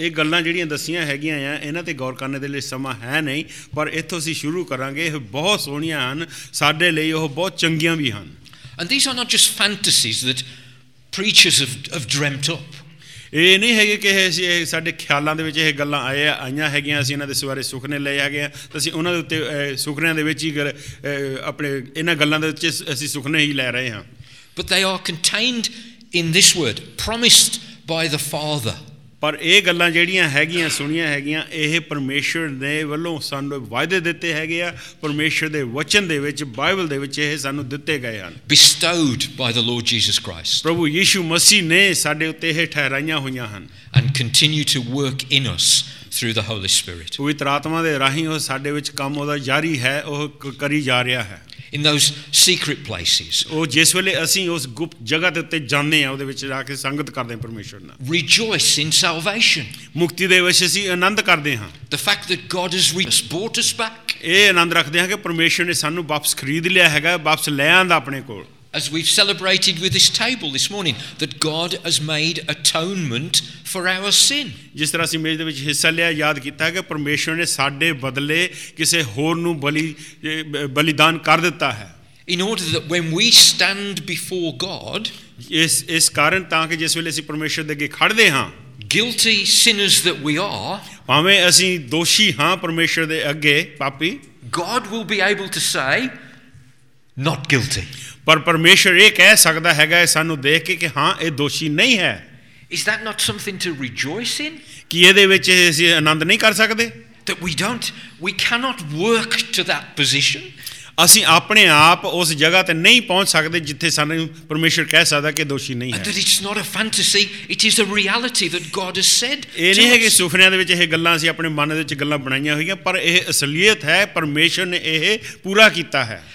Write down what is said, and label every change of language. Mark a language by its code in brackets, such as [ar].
[pa] ਇਹ ਗੱਲਾਂ ਜਿਹੜੀਆਂ ਦੱਸੀਆਂ ਹੈਗੀਆਂ ਆ, ਇਹਨਾਂ 'ਤੇ ਗੌਰ ਕਰਨ ਦੇ ਲਈ ਸਮਾਂ ਹੈ ਨਹੀਂ, ਪਰ ਇੱਥੋਂ ਅਸੀਂ ਸ਼ੁਰੂ ਕਰਾਂਗੇ. ਇਹ ਬਹੁਤ ਸੋਹਣੀਆਂ ਹਨ ਸਾਡੇ ਲਈ, ਉਹ ਬਹੁਤ ਚੰਗੀਆਂ ਵੀ ਹਨ. [en] And these are not just fantasies that preachers have dreamt up. [pa] ਇਹ ਨਹੀਂ ਹੈਗੇ ਕਿ ਇਹ ਸਾਡੇ ਖਿਆਲਾਂ ਦੇ ਵਿੱਚ ਇਹ ਗੱਲਾਂ ਆਈਆਂ ਹੈਗੀਆਂ, ਅਸੀਂ ਇਹਨਾਂ ਦੇ ਸਵਾਰੇ ਸੁਪਨੇ ਲਏ ਹੈਗੇ ਹਾਂ, ਤਾਂ ਅਸੀਂ ਉਹਨਾਂ ਦੇ ਉੱਤੇ ਸੁਪਨਿਆਂ ਦੇ ਵਿੱਚ ਹੀ ਆਪਣੇ ਇਹਨਾਂ ਗੱਲਾਂ ਦੇ ਵਿੱਚ ਅਸੀਂ ਸੁਪਨੇ ਹੀ ਲੈ ਰਹੇ ਹਾਂ. [en] But they are contained in this word, promised by the Father. [pa] ਪਰ ਇਹ ਗੱਲਾਂ ਜਿਹੜੀਆਂ ਹੈਗੀਆਂ, ਸੁਣੀਆਂ ਹੈਗੀਆਂ, ਇਹ ਪਰਮੇਸ਼ੁਰ ਦੇ ਵੱਲੋਂ ਸਾਨੂੰ ਵਾਅਦੇ ਦਿੱਤੇ ਹੈਗੇ ਆ, ਪਰਮੇਸ਼ੁਰ ਦੇ ਵਚਨ ਦੇ ਵਿੱਚ, ਬਾਈਬਲ ਦੇ ਵਿੱਚ ਇਹ ਸਾਨੂੰ ਦਿੱਤੇ ਗਏ ਹਨ. [en] Bestowed by the Lord Jesus Christ. [pa] ਪ੍ਰਭੂ ਯੀਸ਼ੂ ਮਸੀਹ ਨੇ ਸਾਡੇ ਉੱਤੇ ਇਹ ਠਹਿਰਾਈਆਂ ਹੋਈਆਂ ਹਨ. [en] And continue to work in us through the Holy Spirit. [pa] ਪਵਿੱਤਰ ਆਤਮਾ ਦੇ ਰਾਹੀਂ ਉਹ ਸਾਡੇ ਵਿੱਚ ਕੰਮ ਉਹਦਾ ਜਾਰੀ ਹੈ, ਉਹ ਕਰੀ ਜਾ ਰਿਹਾ ਹੈ. [en] In those secret places. [pa] ਉਹ ਜਿਸ ਵੇਲੇ ਅਸੀਂ ਉਸ ਗੁਪਤ ਜਗ੍ਹਾ ਦੇ ਉੱਤੇ ਜਾਂਦੇ ਹਾਂ, ਉਹਦੇ ਵਿੱਚ ਜਾ ਕੇ ਸੰਗਤ ਕਰਦੇ ਹਾਂ ਪਰਮੇਸ਼ੁਰ ਨਾਲ. [en] Rejoice in salvation. [pa] ਮੁਕਤੀ ਦੇ ਵਿੱਚ ਅਸੀਂ ਆਨੰਦ ਕਰਦੇ ਹਾਂ. [en] The fact that God has brought us back. [pa] ਇਹ ਆਨੰਦ ਰੱਖਦੇ ਹਾਂ ਕਿ ਪਰਮੇਸ਼ੁਰ ਨੇ ਸਾਨੂੰ ਵਾਪਸ ਖਰੀਦ ਲਿਆ ਹੈਗਾ, ਵਾਪਸ ਲੈ ਆਂਦਾ ਆਪਣੇ ਕੋਲ. [en] As we've celebrated with this table this morning, that God has made atonement for our sin. [pa] ਜਿਸ ਤਰ੍ਹਾਂ ਅਸੀਂ ਮੇਜ਼ ਦੇ ਵਿੱਚ ਹਿੱਸਾ ਲਿਆ, ਯਾਦ ਕੀਤਾ ਕਿ ਪਰਮੇਸ਼ੁਰ ਨੇ ਸਾਡੇ ਬਦਲੇ ਕਿਸੇ ਹੋਰ ਨੂੰ ਬਲੀਦਾਨ ਕਰ ਦਿੱਤਾ ਹੈ. [en] In order that when we stand before God, [pa] ਇਸ ਕਾਰਨ ਤਾਂ ਕਿ ਜਿਸ ਵੇਲੇ ਅਸੀਂ ਪਰਮੇਸ਼ੁਰ ਦੇ ਅੱਗੇ ਖੜਦੇ ਹਾਂ, [en] guilty sinners that we are, [pa] ਭਾਵੇਂ ਅਸੀਂ ਦੋਸ਼ੀ ਹਾਂ ਪਰਮੇਸ਼ੁਰ ਦੇ ਅੱਗੇ ਪਾਪੀ, [en] God will be able to say, not guilty. [pa] ਪਰ ਪਰਮੇਸ਼ੁਰ ਇਹ ਕਹਿ ਸਕਦਾ ਹੈਗਾ ਸਾਨੂੰ ਦੇਖ ਕੇ ਕਿ ਹਾਂ ਇਹ ਦੋਸ਼ੀ ਨਹੀਂ ਹੈ. [en] Is that not something to rejoice in? [pa] ਕੀ ਇਹਦੇ ਵਿੱਚ ਅਸੀਂ ਆਨੰਦ ਨਹੀਂ ਕਰ ਸਕਦੇ? [en] That we cannot work to that position. [pa] ਅਸੀਂ ਆਪਣੇ ਆਪ ਉਸ ਜਗ੍ਹਾ ਤੇ ਨਹੀਂ ਪਹੁੰਚ ਸਕਦੇ ਜਿੱਥੇ ਸਾਨੂੰ ਪਰਮੇਸ਼ੁਰ ਕਹਿ ਸਕਦਾ ਕਿ ਦੋਸ਼ੀ ਨਹੀਂ ਹੈ. [en] It's not a fantasy, it is a reality that God has said. [pa] ਇਹ ਨਹੀਂ ਹੈ ਕਿ ਸੁਪਨਿਆਂ ਦੇ ਵਿੱਚ ਇਹ ਗੱਲਾਂ ਅਸੀਂ ਆਪਣੇ ਮਨ ਦੇ ਵਿੱਚ ਗੱਲਾਂ ਬਣਾਈਆਂ ਹੋਈਆਂ, ਪਰ ਇਹ ਅਸਲੀਅਤ ਹੈ, ਪਰਮੇਸ਼ੁਰ ਨੇ ਇਹ ਪੂਰਾ ਕੀਤਾ ਹੈ.